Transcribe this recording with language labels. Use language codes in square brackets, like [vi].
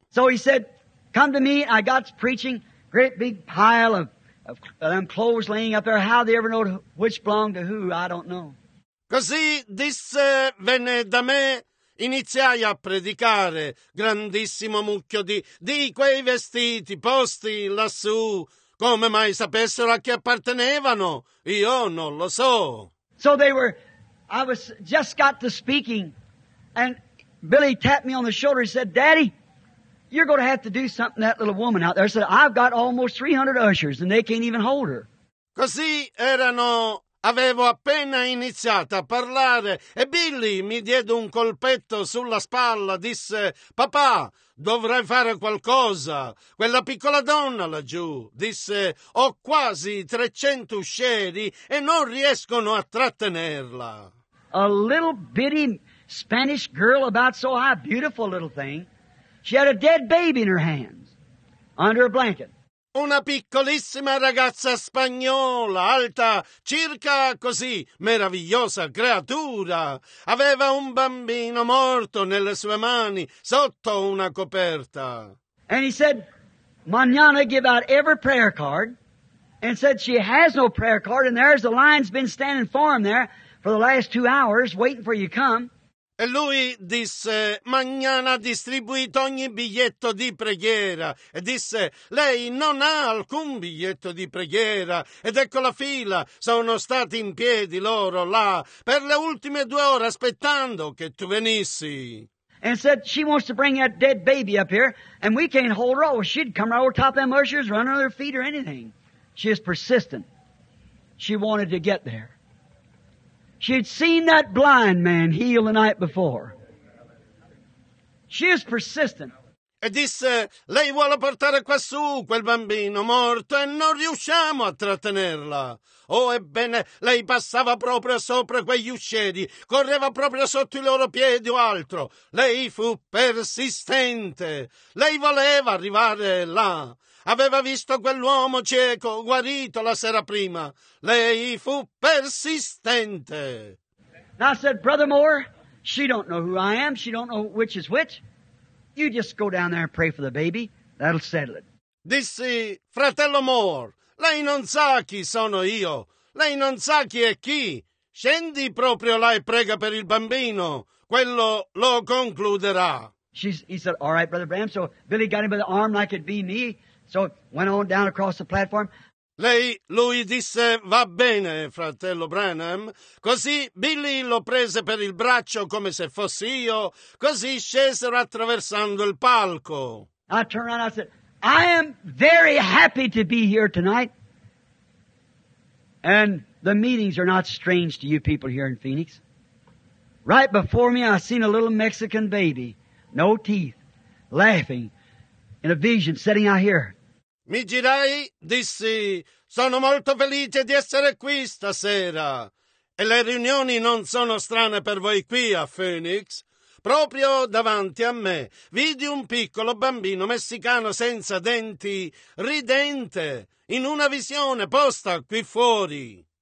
[en] So he said, come to me, I got preaching, great big pile of them clothes laying up there. How they ever know which belonged to who, I don't know. [it] Così disse, venne da me. Iniziai a predicare, grandissimo mucchio di quei vestiti posti lassù. Come mai sapessero a chi appartenevano? Io non lo so. [en] So they were, I was just got to speaking, and Billy tapped me on the shoulder and said, Daddy, you're going to have to do something to that little woman out there. I said, I've got almost 300 ushers, and they can't even hold her. [it] Così erano Avevo appena iniziato a parlare e Billy mi diede un colpetto sulla spalla. Disse: «Papà, dovrai fare qualcosa. Quella piccola donna laggiù», disse, «ho quasi 300 uscieri e non riescono a trattenerla». [en] A little bitty Spanish girl about so high, beautiful little thing. She had a dead baby in her hands, under a blanket. [it] Una piccolissima ragazza spagnola, alta circa così, meravigliosa creatura. Aveva un bambino morto nelle sue mani, sotto una coperta. [en] And he said, mañana give out every prayer card. And said she has no prayer card, and there's the line's been standing for him there for the last 2 hours, waiting for you to come. [it] E lui disse, mañana ha distribuito ogni biglietto di preghiera. E disse, lei non ha alcun biglietto di preghiera. Ed ecco la fila, sono stati in piedi loro là per le ultime 2 ore aspettando che tu venissi. [en] And said, she wants to bring that dead baby up here, and we can't hold her off. She'd come right over top of them ushers, run on their feet or anything. She is persistent. She wanted to get there. She'd seen that blind man heal the night before. She is persistent. [it] E disse, lei vuole portare quassù quel bambino morto e non riusciamo a trattenerla. Oh, ebbene, lei passava proprio sopra quegli uscieri, correva proprio sotto i loro piedi o altro. Lei fu persistente. Lei voleva arrivare là. Aveva visto quell'uomo cieco, guarito la sera prima. Lei fu persistente. [en] And I said, Brother Moore, she don't know who I am. She don't know which is which. You just go down there and pray for the baby. That'll settle it. [it] Dissi, Fratello Moore, lei non sa chi sono io. Lei non sa chi è chi. Scendi proprio là e prega per il bambino. Quello lo concluderà. [en] He said, all right, Brother Bram. So Billy got him by the arm like it'd be me. So went on down across the platform. [it] Lui disse, va bene, fratello Branham. Così Billy lo prese per il braccio come se fossi io. Così scesero attraversando il palco. [en] I turned around and I said, I am very happy to be here tonight. And the meetings are not strange to you people here in Phoenix. Right before me I seen a little Mexican baby, no teeth, laughing in a vision sitting out here. [it] Mi girai, dissi, sono molto felice di essere qui stasera. E le riunioni non sono strane per voi qui a Phoenix. Proprio davanti a me vidi un piccolo bambino messicano senza denti, ridente, in una visione posta qui fuori.